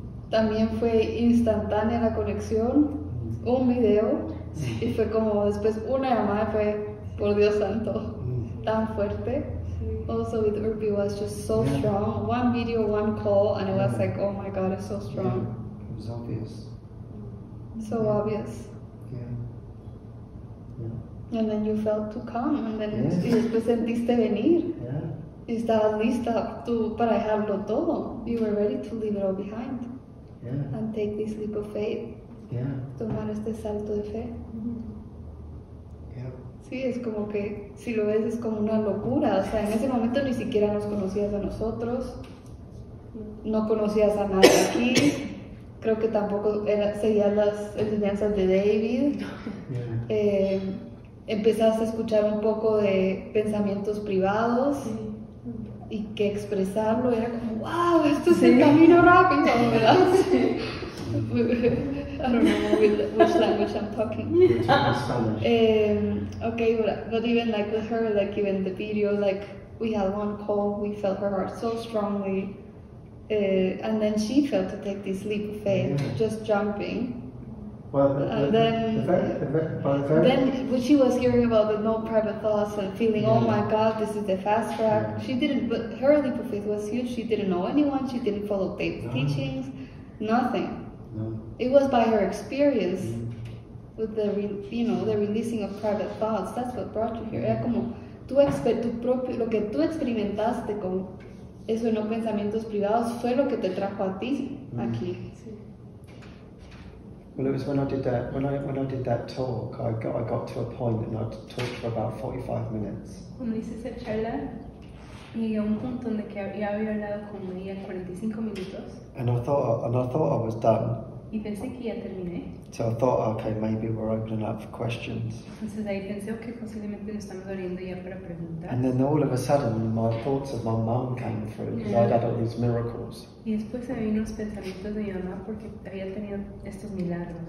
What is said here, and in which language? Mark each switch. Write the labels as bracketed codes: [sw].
[es] También fue instantánea la conexión, un video, y fue como después una llamada, fue, por Dios santo, tan fuerte. [en] Also, with Urpi was just so strong. One video, one call, and it was like, oh my God, it's so strong. It was obvious. So obvious. And then you felt to come, and then [es] y después sentiste venir. Y estabas lista para dejarlo todo. [en] You were ready to leave it all behind. Yeah. And take this leap of faith. Yeah. [es] Tomar este salto de fe. [en] Yeah. [es] Sí, es como que, si lo ves, es como una locura. O sea, en ese momento ni siquiera nos conocías a nosotros. No conocías a nadie aquí. Creo que tampoco seguías las enseñanzas de David. [en] Yeah. [es] Empezaste a escuchar un poco de pensamientos privados. Sí. Y que expresarlo era como, wow, esto es el camino rápido, ¿verdad? [en] Sí. I don't know which language I'm talking. Okay, but even like with her, like even the video, like we had one call, we felt her heart so strongly. And then she felt to take this leap of faith, just jumping. Then, she was hearing about the no private thoughts and feeling, oh my God, this is the fast track. Yeah. She didn't, but her leap of faith was huge. She didn't know anyone. She didn't follow David's teachings, nothing. No. It was by her experience with the, you know, the releasing of private thoughts. That's what brought you here. [es] Era como tu lo que tú experimentaste con eso en los pensamientos privados fue lo que te trajo a ti aquí. [en] Well, it was when I did that talk, I got to a point and I talked for about 45 minutes. [es] Cuando hice esa charla, llegué a un punto donde que ya había hablado con ella 45 minutos. [en] And I thought I was done. [es] Y pensé que ya terminé. [en] So I thought, okay, maybe we're opening up for questions. [es] Entonces ahí pensé que posiblemente nos estamos abriendo ya para preguntas. [en] And then all of a sudden, my thoughts of my mom came through because I'd had all these miracles. [es] Y después se vino los pensamientos de mi mamá porque había tenido estos milagros.